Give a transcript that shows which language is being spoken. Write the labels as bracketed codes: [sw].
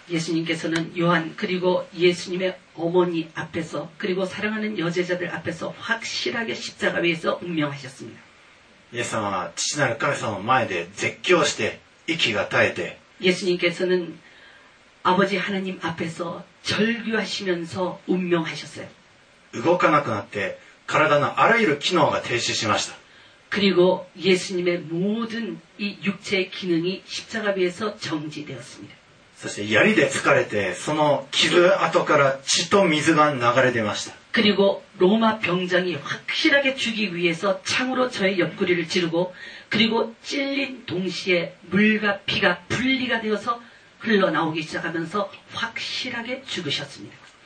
[ko] 예수님께서는요한그리고예수님의어머니앞에서그리고사랑하는여제자들앞에서확실하게십자가위에서운명하셨습니다 [ja] 예수様は父なる神様の前で絶叫して息が絶えて [ko] 예수님께서는아버지하나님앞에서절규하시면서운명하셨어요 [ja] 動かなくなって体のあらゆる機能が停止しました。 [ko] 그리고예수님의모든이육체의기능이십자가위에서정지되었습니다 [ja] そして槍で突かれてその傷跡から血と水が流れ出ました。 [ko] 그리고로마병장이확실하게죽이기위해서창으로저의옆구리를찌르고그리고찔린동시에물과피가분리가되어서흘러나오기시작하면서확실하게죽으셨습니다